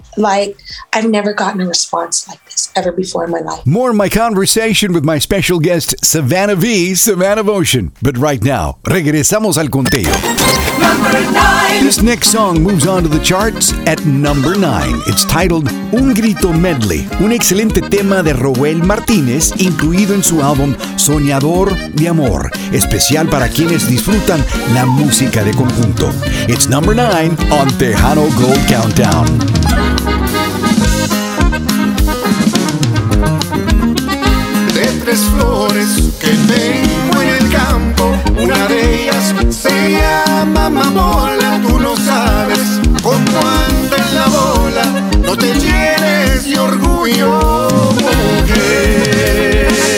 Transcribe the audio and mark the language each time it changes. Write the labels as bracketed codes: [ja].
[en] Like, I've never gotten a response like this ever before in my life. More of my conversation with my special guest, Savannah V, Savannah Votion. But right now, [es] regresamos al conteo. [en] Number 9. This next song moves on to the charts at number 9. It's titled [es] Un Grito Medley, un excelente tema de Roel Martínez, incluido en su álbum Soñador de Amor, especial para quienes disfrutan la música de conjunto. [en] It's number 9 on Tejano Gold Countdown. [es] De tres flores que tengo en el campo, una de ellas se llama mamola. Tú no sabes cómo anda en la bola. No te llenes de orgullo, mujer.